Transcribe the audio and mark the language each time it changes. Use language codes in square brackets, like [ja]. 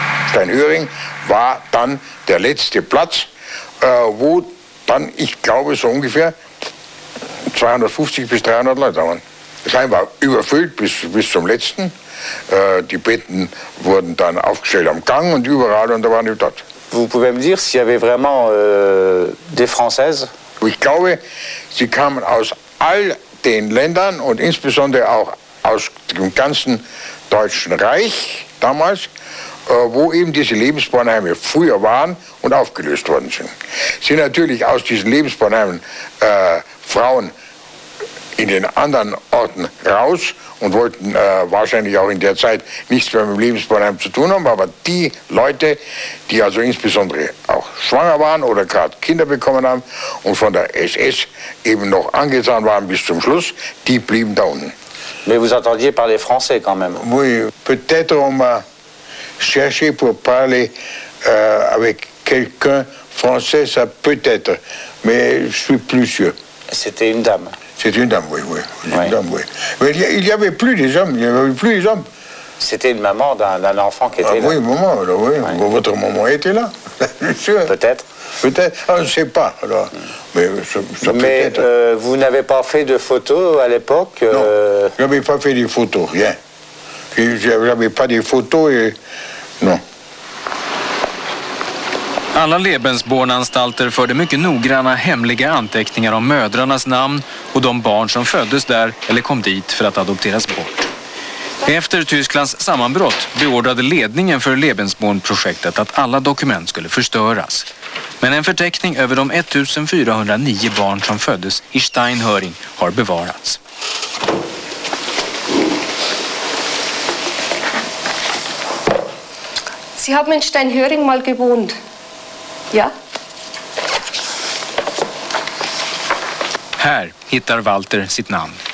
[de] Steinhöring war dann der letzte Platz, wo dann, ich glaube, so ungefähr 250 bis 300 Leute waren. Das Heim war überfüllt bis zum Letzten. Die Betten wurden dann aufgestellt am Gang und überall und da waren die dort. [fr] Vous pouvez me dire s'il y avait vraiment des Françaises? [de] Ich glaube, sie kamen aus all den Ländern und insbesondere auch aus dem ganzen Deutschen Reich damals, wo eben diese Lebensbornheime früher waren und aufgelöst worden sind. Sind natürlich aus diesen Lebensbornheimen Frauen in den anderen Orten raus und wollten wahrscheinlich auch in der Zeit nichts mehr mit dem Lebensbornheim zu tun haben, aber die Leute, die also insbesondere auch schwanger waren oder gerade Kinder bekommen haben und von der SS eben noch angetan waren bis zum Schluss, die blieben da unten. [fr] Mais vous entendiez parler français quand même. Oui, peut-être on m'a cherché pour parler avec quelqu'un français, ça peut être, mais je suis plus sûr. C'était une dame. C'était une dame, oui, oui. Ouais. Une dame, oui. Mais il y avait plus des hommes, il n'y avait plus des hommes. C'était une maman d'un enfant qui était là. Oui, maman, alors, oui. Ouais. Votre maman était là, bien sûr. Peut-être. Peut-être, on ne sait pas. Alors. Mais, ça mais vous n'avez pas fait de photos à l'époque Non, je n'avais pas fait de photos, rien. Je n'avais pas de photos et... Non. [sv] Alla Lebensbornanstalter förde mycket noggranna hemliga anteckningar om mödrarnas namn och de barn som föddes där eller kom dit för att adopteras bort. Efter Tysklands sammanbrott beordrade ledningen för Lebensborn-projektet att alla dokument skulle förstöras. Men en förteckning över de 1409 barn som föddes i Steinhöring har bevarats. [de] Sie haben in Steinhöring mal gewohnt. Ja. [sv] Här hittar Walter sitt namn.